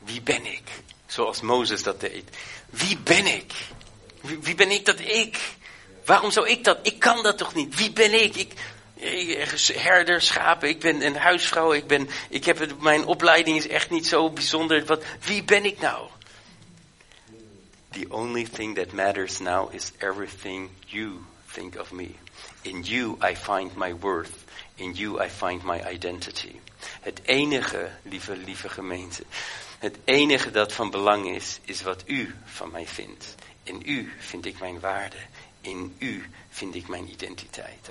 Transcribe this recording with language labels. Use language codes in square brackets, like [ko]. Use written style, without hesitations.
[nl] Wie ben ik? Zoals Mozes dat deed. Wie ben ik? Wie ben ik dat ik? Waarom zou ik dat? Ik kan dat toch niet? Wie ben ik? Herder, schapen, ik ben een huisvrouw, mijn opleiding is echt niet zo bijzonder. Wie ben ik nou? [en] The only thing that matters now is everything you think of me. In you I find my worth. In you I find my identity. [nl] Het enige, lieve gemeente, het enige dat van belang is wat u van mij vindt. In u vind ik mijn waarde. In u vind ik mijn identiteit.